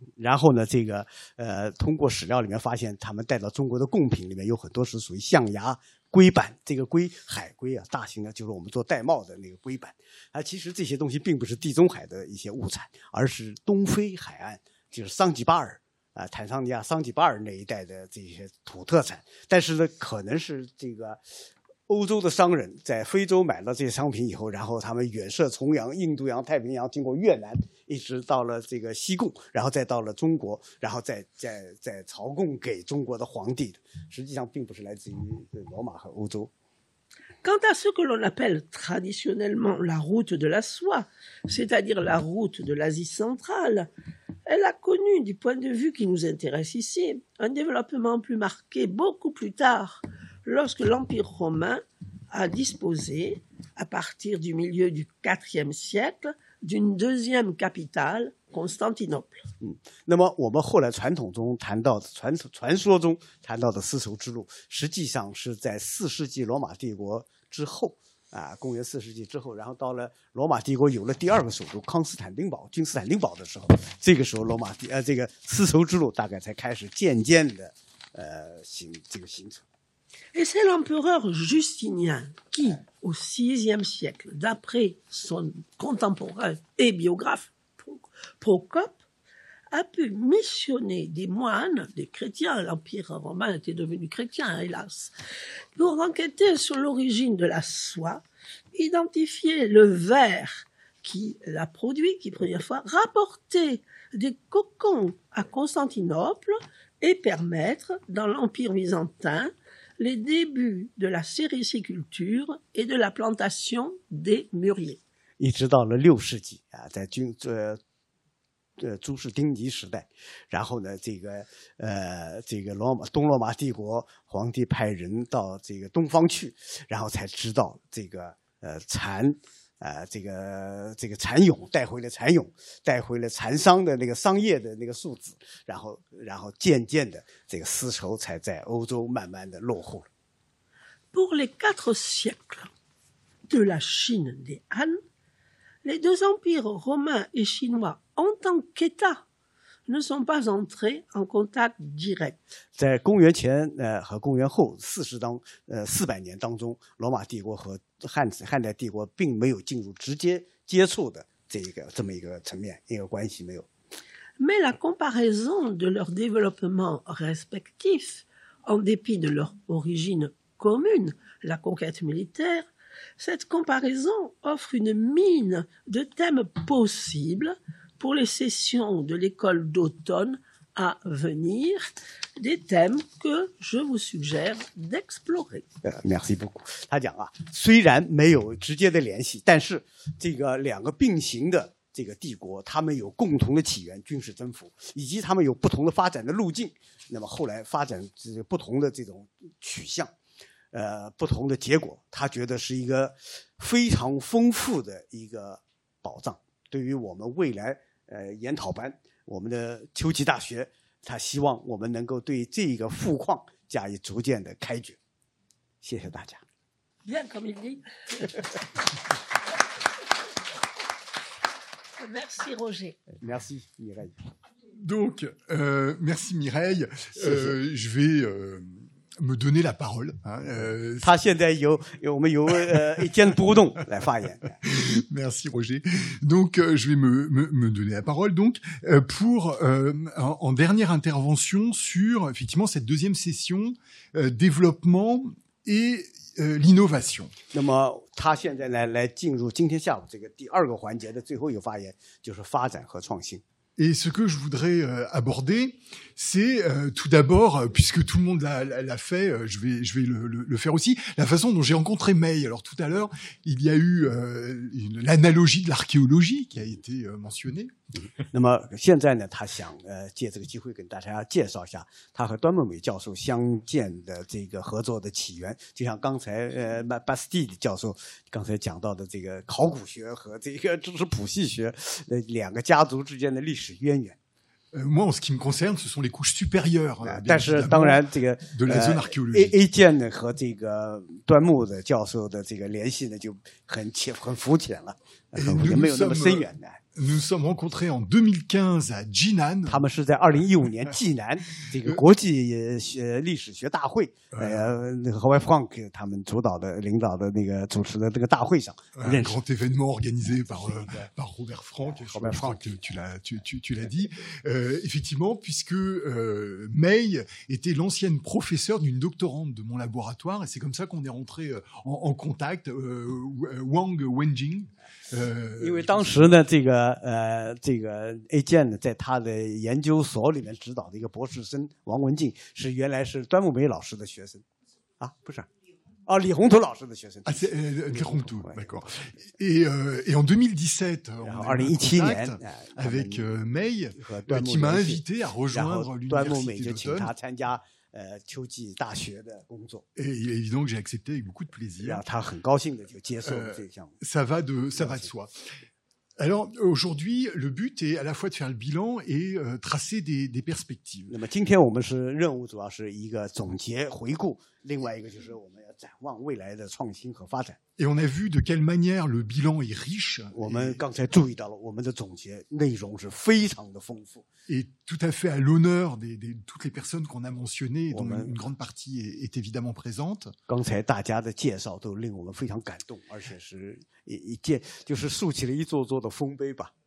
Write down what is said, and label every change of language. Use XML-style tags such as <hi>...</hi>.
<zh>然后呢，这个通过史料里面发现，他们带到中国的贡品里面有很多是属于象牙。龟板，这个龟海龟啊，大型的，就是我们做玳瑁的那个龟板啊。其实这些东西并不是地中海的一些物产，而是东非海岸，就是桑吉巴尔坦桑尼亚桑吉巴尔那一带的这些土特产。但是呢，可能是这个欧洲的商人在非洲买了这些商品以后，然后他们远涉重洋，印度洋、太平洋，经过越南，一直到了这个西贡，然后再到了中国，然后再朝贡给中国的皇帝的。实际上并不是来自于罗马和欧洲。</zh> <fr>Quant à ce que l'on appelle traditionnellement la route de la soie, c'est-à-dire la route de l'Asie centrale, elle a connu, du point de vue qui nous intéresse ici, un développement plus marqué beaucoup plus tard. Lorsque l'Empire romain a disposé, à partir du milieu du IVe siècle, d'une deuxième capitale, Constantinople.</fr> <zh>那么我们后来传统中谈到的传说中谈到的丝绸之路，实际上是在四世纪罗马帝国之后公元四世纪之后，然后到了罗马帝国有了第二个首都康斯坦丁堡、君士坦丁堡的时候，这个时候这个丝绸之路大概才开始渐渐的形成。</zh> <fr>Et c'est l'empereur Justinien qui, au VIe siècle, d'après son contemporain et biographe Procope, a pu missionner des moines, des chrétiens, l'empire romain était devenu chrétien, hélas, pour enquêter sur l'origine de la soie, identifier le ver qui l'a produit, qui première fois, rapporter des cocons à Constantinople et permettre, dans l'empire byzantin,les débuts de la sériciculture et de la plantation des mûriers.</fr> <zh>一直到了六世纪在诸氏丁吉时代，然后呢，这个罗马东罗马帝国皇帝派人到这个东方去，然后才知道这个蚕蚕蛹带回了蚕蛹，带回了蚕桑的那个桑叶的那个树脂，然后渐渐的这个丝绸才在欧洲慢慢的落户了。</zh> <fr>Pour les quatre siècles de la Chine des Han, les deux empires romains et chinois en tant qu'État ne sont pas entrés en contact direct.</fr> <zh>在公元前和公元后四百年当中，罗马帝国和汉代帝国并没有进入直接接触的这么一个层面，一个关系没有。</zh> <fr>Mais la comparaison de leur développement respectif, en dépit de leur origine commune, la conquête militaire, cette comparaison offre une mine de thèmes possibles pour les sessions de l'école d'automne à venir, des thèmes que je vous suggère d'explorer. Merci beaucoup.</fr> <zh>他讲啊，虽然没有直接的联系，但是这个两个并行的这个帝国，他们有共同的起源，军事征服，以及他们有不同的发展的路径，那么后来发展不同的这种取向，不同的结果，他觉得是一个非常丰富的一个宝藏，对于我们未来研讨班，我们的秋季大学，他希望我们能够对这个富矿加以逐渐的开掘。谢谢大家。</zh> <fr>Bien, Camille. Merci, Roger. Merci, Mireille. Donc, merci, Mireille. Je vais me donner la parole.</fr> <zh>他现在由我们由Étienne Bourdon来发言。</zh> <fr>Merci Roger. Donc je vais me donner la parole donc pour en dernière intervention sur effectivement cette deuxième session développement et l'innovation.</fr> <zh>那么他现在来进入今天下午这个第二个环节的最后一个发言，就是发展和创新。</zh> <fr>Et ce que je voudrais aborder, c'est tout d'abord, puisque tout le monde l'a fait, je vais le faire aussi, la façon dont j'ai rencontré May. Alors tout à l'heure, il y a eu l'analogie de l'archéologie qui a été mentionnée.</fr> <zh>那么现在呢，他想借这个机会跟大家介绍一下他和端木美教授相见的这个合作的起源。就像刚才巴斯蒂教授刚才讲到的这个考古学和这个知识谱系学的两个家族之间的历史渊源。</zh> <fr>Moi, en ce qui me concerne, ce sont les couches supérieures.</fr> <zh>但是当然这个</zh> <fr>de la zone archéologique.</fr> <zh>Étienne 和这个端木的教授的这个联系呢就很肤浅了，也没有那么深远的。</zh> <fr>Nous sommes rencontrés en 2015 à Jinan.</fr> <zh>他们是在2015年济南这个国际历史学大会，Howard Frank 他们主导的领导的那个主持的这个大会上。</zh> <fr>Un grand événement organisé par Robert Frank. Robert Frank, tu l'as dit. Effectivement, puisque May était l'ancienne professeure d'une doctorante de mon laboratoire, et c'est comme ça qu'on est rentré en contact, Wang Wenjing.</fr> <zh>因为当时呢，这个 A 健呢，在他的研究所里面指导的一个博士生王文静，是原来是端木梅老师的学生，啊，不是。</zh> <fr>Ah, Li Hongtou, l'archéologue. Ah, c'est Li Hongtou, d'accord. Et en 2017, on a eu un contact avec May, qui m'a invité à rejoindre l'université d'automne.</fr> <zh>秋季大学的工作。</zh> <fr>Et évidemment que j'ai accepté avec beaucoup de plaisir.</fr> <zh>然后他很高兴的就接受这项目。</zh> <fr>Ça va de soi. Alors aujourd'hui, le but est à la fois de faire le bilan et tracer des perspectives.</fr> <zh>那么今天我们是任务主要是一个总结回顾，另外一个就是我们要展望未来的创新和发展。</zh> <fr>Et on a vu de quelle manière le bilan est riche.</fr> <zh>我们刚才注意到了我们的总结内容是非常的丰富。</zh> <fr>Et tout à fait à l'honneur de toutes les personnes qu'on a mentionnées, dont une grande partie est évidemment présente.</fr> <zh>刚才大家的介绍都令我们非常感动，而且是就是竖起了一座座的丰碑吧。</zh>